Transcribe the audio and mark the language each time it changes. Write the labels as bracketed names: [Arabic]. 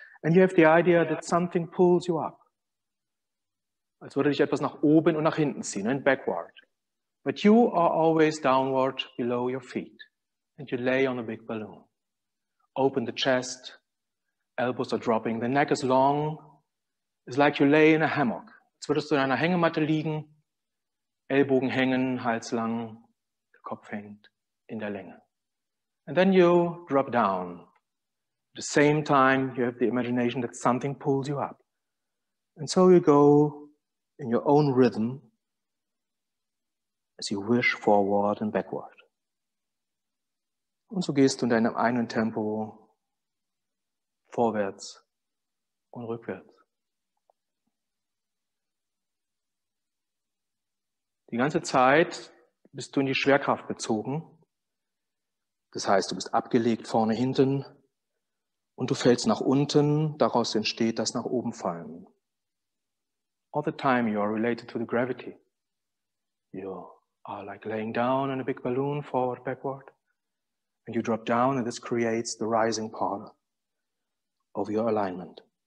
[English] And you have the idea that something pulls you up. [German] Als würde dich etwas nach oben und nach hinten ziehen, [English] and backward. But you are always downward below your feet. And you lay on a big balloon. Open the chest, elbows are dropping, the neck is long. It's like you lay in a hammock. [German] Als würdest du in einer Hängematte liegen, Ellbogen hängen, Hals lang, der Kopf hängt. In der Länge. [English] And then you drop down. At the same time, you have the imagination that something pulls you up. And so you go in your own rhythm as you wish forward and backward. [German] Und so gehst du in deinem eigenen Tempo vorwärts und rückwärts. Die ganze Zeit bist du in die Schwerkraft bezogen. Das heißt, du bist abgelegt vorne, hinten und du fällst nach unten. Daraus entsteht das nach oben fallen. [English] All the time you are related to the gravity. You are like laying down in a big balloon, forward, backward. And you drop down and this creates the rising part of your alignment.